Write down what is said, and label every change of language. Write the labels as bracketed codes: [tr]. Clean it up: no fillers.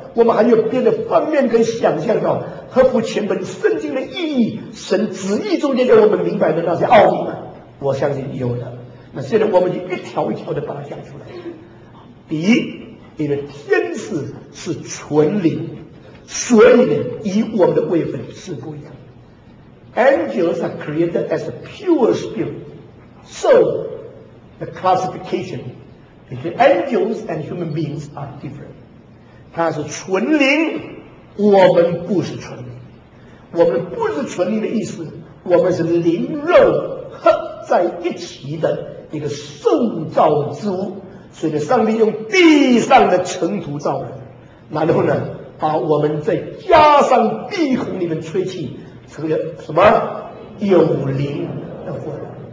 [zh] 我们还有别的方面可以想象到合乎全本圣经的意义，神旨意中间让我们明白的那些奥秘吗？我相信有的。那现在我们就一条一条的把它讲出来。第一，你的天使是纯灵，所以呢，与我们的位分是不一样。 [en] Angels are created as a pure spirit, so the classification between angels and human beings are different. [zh] 它是纯灵，我们不是纯灵。我们不是纯灵的意思，我们是灵肉合在一起的一个受造之物。所以上帝用地上的尘土造人，然后呢把我们再加上鼻孔里面吹气，成了什么有灵的活人。